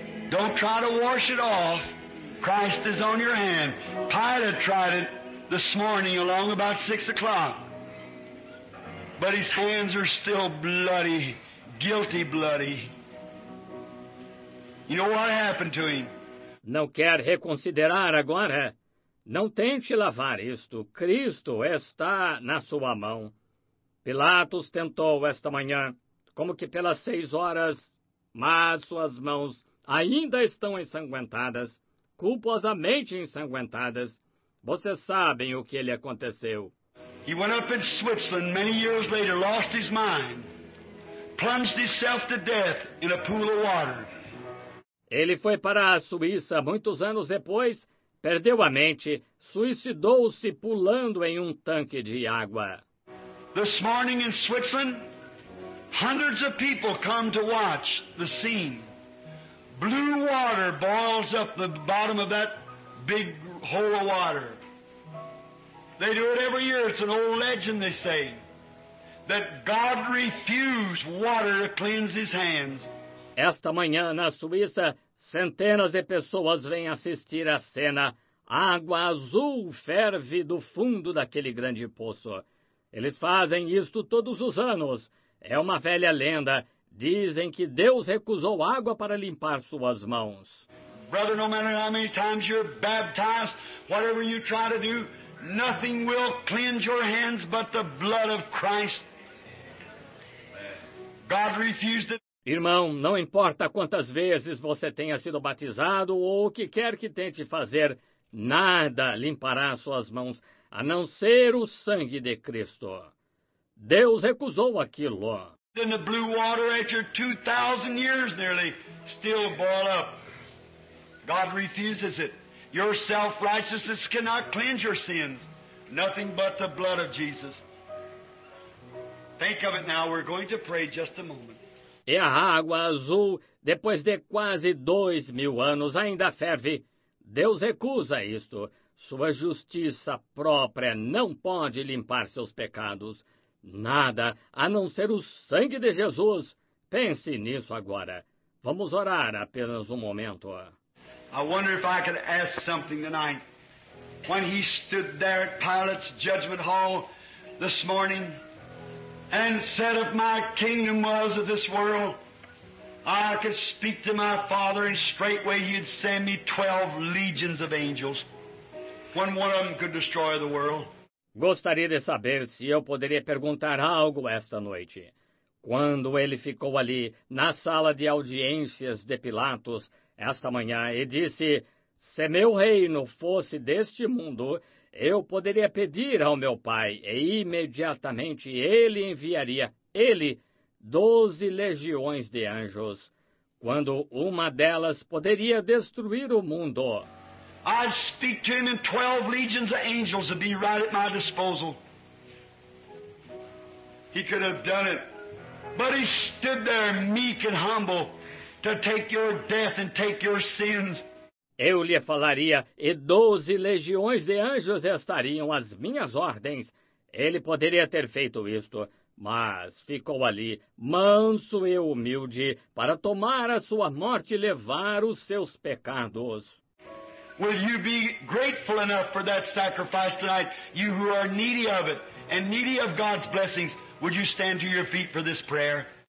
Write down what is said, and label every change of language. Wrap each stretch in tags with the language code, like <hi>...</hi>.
<en>Don't try to wash it off. Christ is on your hand. Pilate tried it this morning along about 6 o'clock. But his hands are still bloody, guilty bloody. You know what happened to him?</en> <pt>Não quer reconsiderar agora? Não tente lavar isto. Cristo está na sua mão. Pilatos tentou esta manhã, como que pelas 6 horas, mas suas mãos ainda estão ensanguentadas, culposamente ensanguentadas. Vocês sabem o que lhe aconteceu.</pt> <en>He went up in Switzerland many years later, lost his mind, plunged himself to death in a pool of water.</en> <pt>Ele foi para a Suíça muitos anos depois, perdeu a mente, suicidou-se pulando em um tanque de água.</pt> <en>This morning in Switzerland, hundreds of people come to watch the scene. Blue water boils up the bottom of that big hole of water. They do it every year. It's an old legend, they say, that God refused water to cleanse his hands.</en> <pt>Esta manhã na Suíça, centenas de pessoas vêm assistir à cena. Água azul ferve do fundo daquele grande poço. Eles fazem isto todos os anos. É uma velha lenda. Dizem que Deus recusou água para limpar suas mãos.</pt> <en>Brother, no matter how many times you're baptized, whatever you try to do, nothing will cleanse your hands but the blood of Christ. God refused it.</en> <pt>Irmão, não importa quantas vezes você tenha sido batizado ou o que quer que tente fazer, nada limpará suas mãos. A não ser o sangue de Cristo. Deus recusou aquilo.</pt> <en>Then the blue water after 2,000 years nearly still boil up. God refuses it. Your self-righteousness cannot cleanse your sins. Nothing but the blood of Jesus. Think of it now. We're going to pray just a moment.</en> <pt>E a água azul, depois de quase 2,000 anos, ainda ferve. Deus recusa isto. Sua justiça própria não pode limpar seus pecados. Nada, a não ser o sangue de Jesus. Pense nisso agora. Vamos orar apenas um momento.</pt> <en>I wonder if I could ask something tonight. When he stood there at Pilate's judgment hall this morning and said, if my kingdom was of this world, I could speak to my father and straightway he'd send me 12 legions of angels. When one of them could destroy the world.</en> <pt>Gostaria de saber se eu poderia perguntar algo esta noite. Quando ele ficou ali, na sala de audiências de Pilatos, esta manhã, e disse, se meu reino fosse deste mundo, eu poderia pedir ao meu pai, e imediatamente ele enviaria, ele, 12 legiões de anjos, quando uma delas poderia destruir o mundo.</pt> <en>I'd speak to him and 12 legions of angels would be right at my disposal. He could have done it. But he stood there meek and humble to take your death and take your sins.</en> <pt>Eu lhe falaria, e 12 legiões de anjos estariam às minhas ordens. Ele poderia ter feito isto, mas ficou ali, manso e humilde, para tomar a sua morte e levar os seus pecados.</pt> <en>Will you be grateful enough for that sacrifice tonight, you who are needy of it, and needy of God's blessings, would you stand to your feet for this prayer?</en>